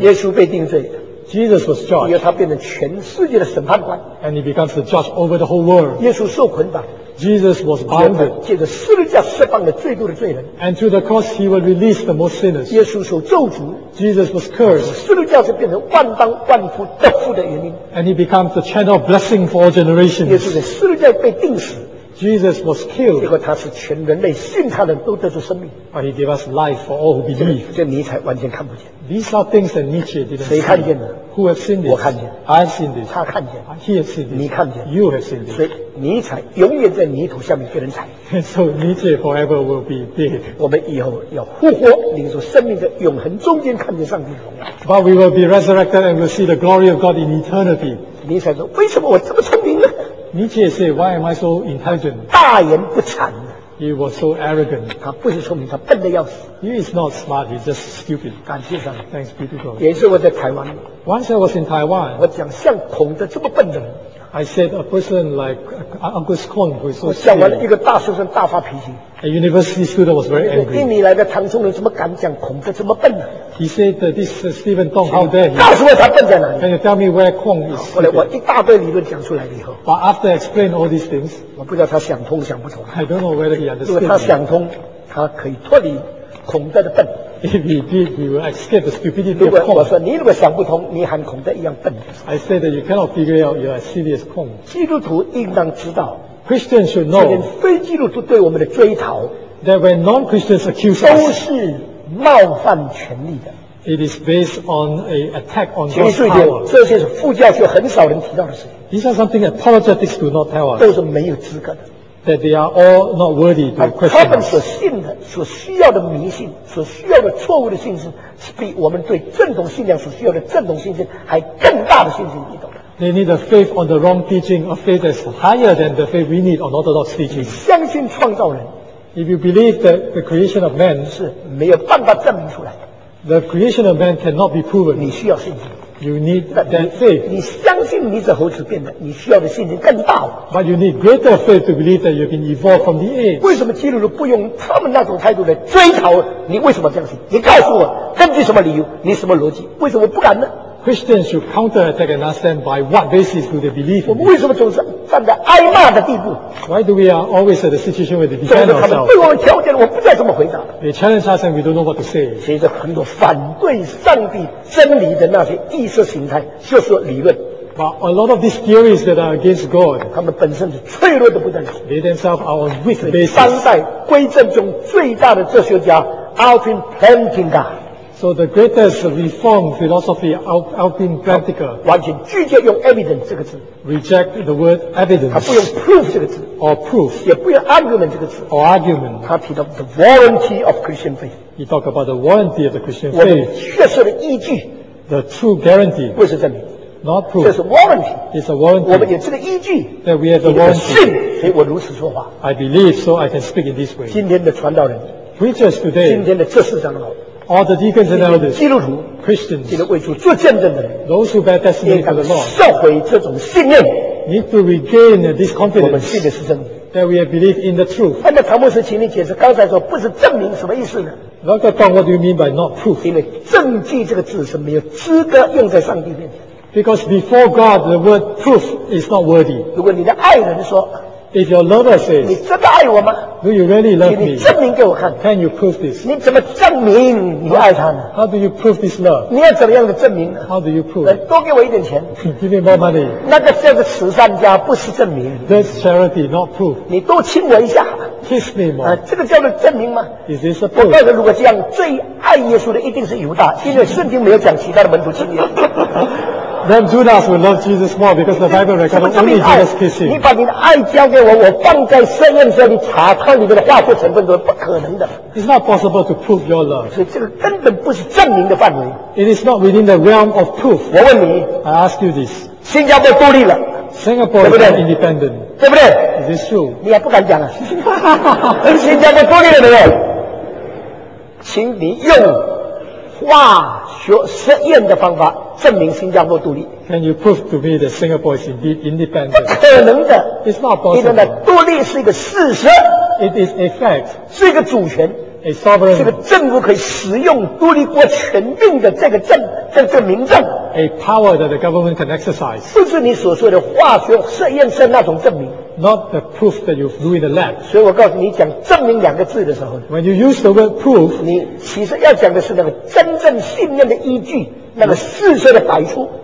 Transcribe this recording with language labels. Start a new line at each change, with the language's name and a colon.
Chinese: 耶稣被定罪。
English: Jesus was judged.
Chinese: 因为他变成全世界的审判官。
English: And he becomes the judge over the whole world.
Chinese: 耶稣受捆绑。
English: Jesus was bound.
Chinese: 借着十字架释放了最多的罪人。
English: And through the cross he will release the most sinners.
Chinese: 耶稣受咒诅。
English: Jesus was cursed.
Chinese: 十字架是变成万邦万夫得福的原因。
English: And he becomes the channel of blessing for all generations.
Chinese: 耶稣在十字架被钉死。
English: Jesus was killed.
Chinese: 结果他是全人类信他的人都得出生命。
English: But he gave us life for all who believe.
Chinese: 这尼采完全看不见。
English: These are things that Nietzsche didn't see.
Chinese: 谁看见的？
English: Who have seen this?
Chinese: 我看见。
English: I have seen this.
Chinese: 他看见。
English: He has seen this.
Chinese: 你看见。
English: You have seen this.
Chinese: 所以尼采永远在泥土下面被人踩。
English: So Nietzsche forever will be dead.
Chinese: 我们以后要复活，领受生命的永恒中间看见上帝的荣耀。
English: But we will be resurrected and will see the glory of God in eternity.
Chinese: 尼采说：“为什么我这么聪明呢？”
English: Nietzsche said, "Why am I so intelligent?"
Chinese: 大言不惭。
English: He was so arrogant.
Chinese: 他不是聪明，他笨得要死。
English: He is not smart. He's just stupid.
Chinese: 感谢上帝。
English: Thanks be to God.
Chinese: 也是我在台湾。
English: Once I was in Taiwan.
Chinese: 我讲像孔的这么笨的人。
English: I said a person like Angus Kong who is so stupid.
Chinese: 我讲完了一个大学生大发脾气。
English: A university student was very angry.
Chinese: 印尼来的唐宗仁怎么敢讲孔的这么笨呢？
English: He said that this Stephen Tong, how dare he?
Chinese: 告诉我他笨在哪里？
English: Can you tell me where Kong is?
Chinese: 后来我一大堆理论讲出来以后。
English: But after explain all these things,
Chinese: 我不知道他想通想不通。
English: I don't know whether he understood.
Chinese: 如果他想通，他可以脱离孔的笨。
English: If he did, he will escape the stupidity of Kong.
Chinese: 我说你如果想不通，你和孔的一样笨。
English: I said that you cannot figure out you're as silly as Kong.
Chinese: 基督徒应当知道。
English: Christians should know
Chinese: 连非基督徒对我们的追讨
English: that when non-Christians accuse us
Chinese: 都是冒犯权利的
English: It is based on an attack on God's power.
Chinese: 请注意点，这些是副教学很少人提到的事情。
English: These are something apologetics do not tell us.
Chinese: 都是没有资格的。
English: That they are all not worthy to question us.
Chinese: 他们所信的、所需要的迷信、所需要的错误的信心，是比我们对正统信仰所需要的正统信心还更大的信心，你懂的。
English: They need a faith on the wrong teaching, a faith that's higher than the faith we need on orthodox teaching.
Chinese: 相信创造人。
English: If you believe that the creation of man
Chinese: 是没有办法证明出来的。
English: The creation of man cannot be proven.
Chinese: 你需要信心。
English: You need that faith.
Chinese: 你相信你是猴子变的，你需要的信心更大。
English: But you need greater faith to believe that you've been evolved from the apes.
Chinese: 为什么基督徒不用他们那种态度来追讨你为什么相信？你告诉我，根据什么理由？你什么逻辑？为什么不敢呢？
English: Christians should counterattack and ask them by what basis do they believe in it?
Chinese: 我们为什么总是站在挨骂的地步？
English: Why do we are always at a situation where they defend ourselves?
Chinese: 总是他们对我们条件，我不再怎么回答。
English: They challenge us and we don't know what to say.
Chinese: 其实很多反对上帝真理的那些意识形态，就是理论。
English: But a lot of these theories that are against God,
Chinese: 他们本身是脆弱的不得了。
English: They themselves are on weak basis.
Chinese: 当代归正中最大的哲学家 Alvin Plantinga。
English: So the greatest reform philosophy, Alvin Plantinga,
Chinese: 完全拒绝用 evidence 这个词
English: ，reject the word evidence，
Chinese: 他不用 proof 这个词
English: ，or proof，
Chinese: 也不用 argument 这个词
English: ，or argument，
Chinese: 他提到
English: the warranty of Christian faith， he talk about the warranty of the Christian faith，
Chinese: 确实的依据
English: ，the true guarantee，
Chinese: 不是证明
English: ，not proof，
Chinese: 这是 warranty，
English: it's a warranty，
Chinese: 我们有这个依据
English: ，that we have the warranty，
Chinese: 信，所以我如此说话
English: ，I believe， so I can speak in this way。
Chinese: 今天的传道人
English: ，preachers today，
Chinese: 今天的执事长老。
English: All the deacons and elders,
Chinese: 基督徒
English: Christians,
Chinese: 今天为主做见证的人
English: those who bear testimony to the Lord,
Chinese: 应该召回这种信念
English: need to regain this confidence,
Chinese: 我们信的是真理
English: that we have believed in the truth.
Chinese: 那么唐牧师请你解释刚才说不是证明什么意思呢
English: Dr. Tom, what do you mean by not proof?
Chinese: 因为证据这个字是没有资格用在上帝面前
English: Because before God, the word proof is not worthy.
Chinese: 如果你的爱人说
English: If your lover says,
Chinese: 你真的爱我吗
English: Do you really love me?
Chinese: 你证明给我看。
English: Can you prove this?
Chinese: 你怎么证明你爱他呢
English: ？How do you prove this love?
Chinese: 你要怎么样的证明
English: ？How do you prove?
Chinese: 来，多给我一点钱。
English: Give me more money.
Chinese: 那个叫做慈善家，不是证明。
English: That's charity, not proof.
Chinese: 你多亲我一下。
English: Kiss me more.
Chinese: 这个叫做证明吗
English: ？Is this a proof?
Chinese: 我告诉你，如果这样，最爱耶稣的一定是犹大，因为圣经没有讲其他的门徒亲耶稣。
English: Then Judas would love Jesus more because the Bible records only Jesus kissing.
Chinese: 你把你的爱交给我，我放在实验室里查看里面的化学成分，都是不可能的。
English: It's not possible to prove your love.
Chinese: 所以这个根本不是证明的范围。
English: It is not within the realm of proof.
Chinese: 我问你
English: ，I ask you this.
Chinese: 新加坡独立了
English: ，Singapore is independent.
Chinese: 对不对
English: ？Is this true?
Chinese: 你也不敢讲啊。新加坡独立了没有？请你用化学实验的方法。证明新加坡独立
English: Can you prove to me that Singapore is indeed independent?
Chinese: 不可能的
English: It's not possible
Chinese: 因为呢独立是一个事实
English: It is a fact
Chinese: 是一个主权
English: A sovereign
Chinese: 是个政府可以使用独立国权柄的这个证这个名证
English: A power that the government can exercise
Chinese: 不是你所说的化学实验室那种证明
English: Not the proof that you do in the lab
Chinese: 所以我告诉你讲证明两个字的时候
English: When you use the word proof
Chinese: 你其实要讲的是那个真正信念的依据那个事实的摆出